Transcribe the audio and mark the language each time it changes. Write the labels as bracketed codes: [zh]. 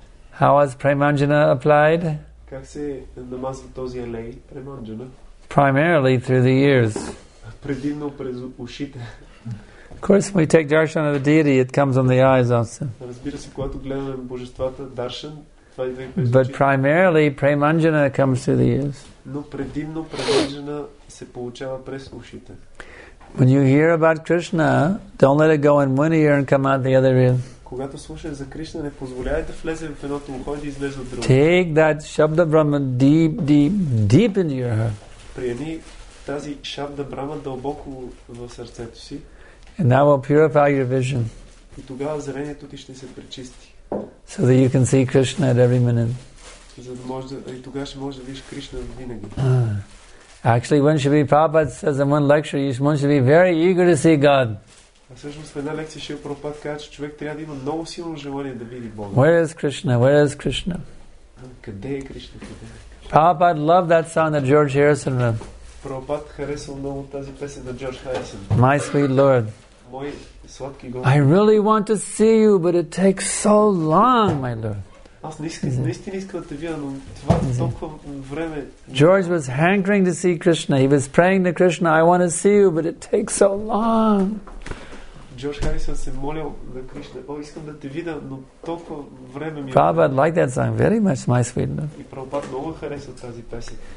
[en] How was Premanjana applied? Primarily through the ears. [bg] Предимно през ушите. [en] Of course, when we take darshan of the deity, it comes on the eyes also. [bg] Разбира се, когато гледаме божествата даршан, това идва и през ушите. [en] But primarily, Premanjana comes through the ears. [bg] Но предимно Premanjana се получава през ушите. [en] When you hear about Krishna, don't let it go in one ear and come out the other ear. [bg] Когато слушаш за Кришна, не позволявай да влезе в едното ухо и да излезе в другото. [en] Take that Shabda Brahma deep, deep, deep into your heart. [bg] Приеми тази шабда брама дълбоко в сърцето си. [en] And that will purify your vision. [bg] И тогава зрението ти ще се пречисти. [en] So that you can see Krishna at every minute. [bg] За да може, и тогава ще може да видиш Кришна винаги. [en] Actually, when Shri Prabhupada says in one lecture, one should be very eager to see God. [bg] А всъщност в една лекция Шри Прабхупада казва, че човек трябва да има много силно желание да види Бога. [en] Where is Krishna? Where is Krishna? [bg] Къде е Кришна? [en] Prabhupada loved that song that George Harrison wrote. [bg] Пропат харесал много тази песен на Джордж Харисън. [en] My sweet Lord. [bg] Мой сладки Господ. [en] I really want to see you, but it takes so long, my Lord. [bg] Аз наистина искам да те видя, но това толкова време. [en] George was hankering to see Krishna. He was praying to Krishna, I want to see you, but it takes so long. [bg] Джордж Харисън се молил на Кришна, о, искам да те видя, но толкова време ми. [en] Пропат like that song very much, my sweet Lord. [bg] И Пропат много харесал тази песен.